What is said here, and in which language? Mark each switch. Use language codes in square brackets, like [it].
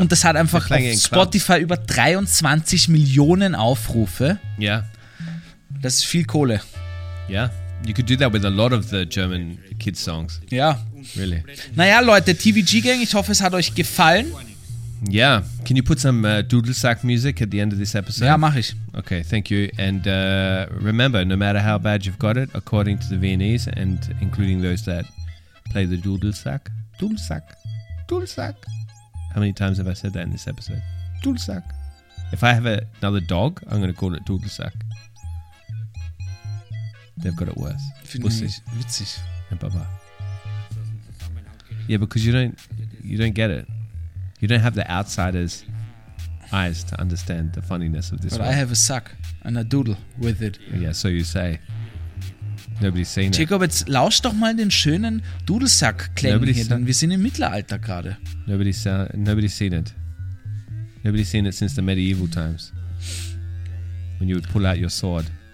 [de] Und das hat einfach auf Spotify clubs. Über 23 Millionen Aufrufe. Ja. Yeah. Das ist viel Kohle. Ja. Yeah. [en] You could do that with a lot of the German kids songs. Yeah. Really. [de] Naja, Leute, TVG Gang, ich hoffe, es hat euch gefallen. [en] Yeah. Can you put some Dudelsack music at the end of this episode? [de] Ja, mach ich. [en] Okay, thank you. And remember, no matter how bad you've got it, according to the Viennese, and including those that play the Dudelsack. Dudelsack. Dudelsack. How many times have I said that in this episode? Dudelsack. If I have another dog, I'm going to call it Dudelsack. They've got it worse. [de] Witzig. [en] And baba. Yeah, because you don't get it. You don't have the outsider's eyes to understand the funniness of this one. But world. I have a sack and a doodle with it. Yeah, so you say. Nobody's seen Jacob, it. [de] Jacob, jetzt lausch doch mal den schönen Dudelsack-Klängen hier, denn wir sind im Mittelalter gerade. [en] Nobody's seen it. Nobody's seen it since the medieval times. When you would pull out your sword.